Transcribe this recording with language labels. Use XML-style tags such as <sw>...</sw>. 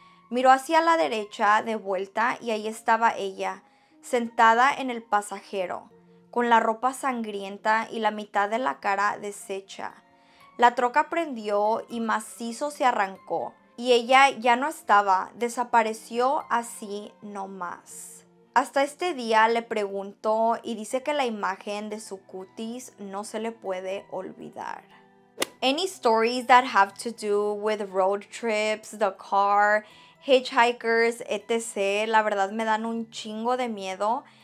<es>Miró hacia la derecha de vuelta y ahí estaba ella, sentada en el pasajero, con la ropa sangrienta y la mitad de la cara deshecha. La troca prendió y macizo se arrancó, y ella ya no estaba, desapareció así nomás. Hasta este día le preguntó y dice que la imagen de su cutis no se le puede olvidar.</es> <en>Any stories that have to do with road trips, the car, hitchhikers, etc.</en> <es>La verdad me dan un chingo de miedo.</es>